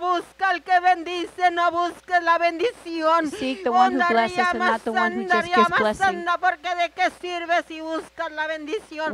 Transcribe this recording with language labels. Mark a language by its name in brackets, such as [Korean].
[Spanish] Busca el que bendice, no busque la bendición. [English] Seek the one who blesses and not the one who just gives blessing. [Spanish] Porque de qué sirve si buscas la bendición.